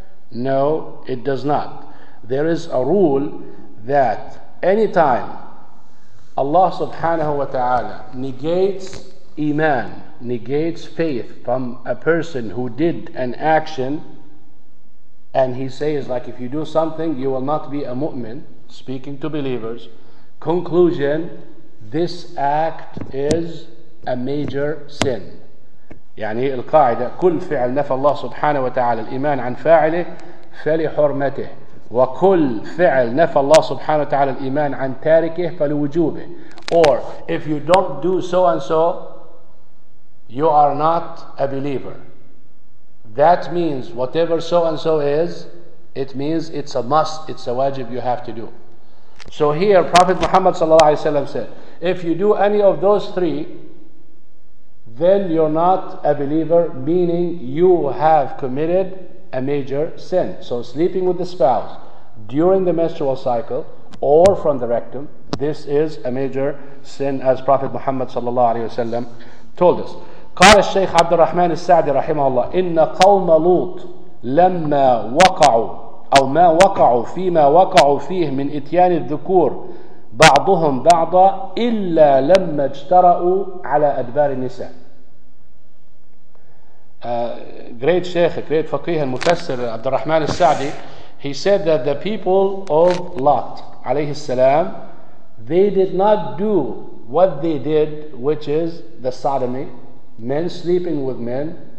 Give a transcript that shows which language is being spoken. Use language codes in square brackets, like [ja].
[en] No, it does not. There is a rule that anytime Allah subhanahu wa ta'ala negates Iman, negates faith from a person who did an action, and he says, like, if you do something, you will not be a mu'min, speaking to believers. Conclusion, this act is a major sin. [ar] يعني القاعدة, كل فعل نفى الله سبحانه وتعالى الإيمان عن فاعله فلحرمته, وكل فعل نفى الله سبحانه وتعالى الإيمان عن تاركه فلوجوبه. [en] Or, if you don't do so and so, you are not a believer. That means whatever so-and-so is, it means it's a must, it's a wajib you have to do. So here, Prophet Muhammad sallallahu alaihi wasallam said, if you do any of those three, then you're not a believer, meaning you have committed a major sin. So sleeping with the spouse during the menstrual cycle or from the rectum, this is a major sin, as Prophet Muhammad sallallahu alaihi wasallam told us. [ar] قال الشيخ عبد الرحمن السعدي رحمه الله إن قوم لوط لما وقعوا أو ما وقعوا فيما وقعوا فيه من إتيان الذكور بعضهم بعضا إلا لما اجترأوا على أدبار النساء. [en] Great شيخ, great [ar] فقيه المفسر [en] عبد الرحمن السعدي, he said that the people of Lot [ar] عليه السلام, [en] they did not do what they did, which is the sodomy, men sleeping with men.